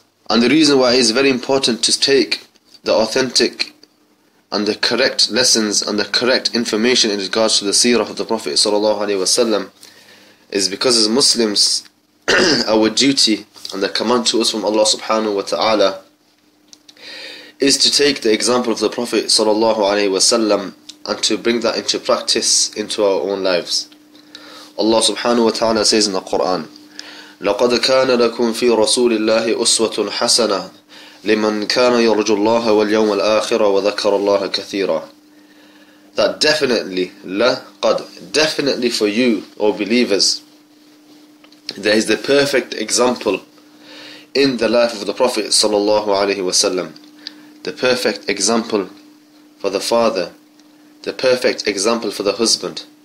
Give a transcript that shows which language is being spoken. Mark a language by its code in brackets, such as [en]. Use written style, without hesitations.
[en] And the reason why it is very important to take the authentic and the correct lessons and the correct information in regards to the seerah of the Prophet sallallahu alaihi wasallam is because as Muslims our duty and the command to us from Allah subhanahu wa ta'ala is to take the example of the Prophet sallallahu alaihi wasallam and to bring that into practice into our own lives. Allah subhanahu wa ta'ala says in the Quran, [ar] لَقَدْ كَانَ لَكُمْ فِي رَسُولِ اللَّهِ أُسْوَةٌ حَسَنَةٌ لِمَنْ كَانَ يَرْجُ اللَّهَ وَالْيَوْمَ الْآخِرَ وَذَكَرَ اللَّهَ كَثِيرًا. [en] That definitely, لَقَدْ, definitely for you, O believers, there is the perfect example in the life of the Prophet sallallahu alayhi wasallam, the perfect example for the father, the perfect example for the husband,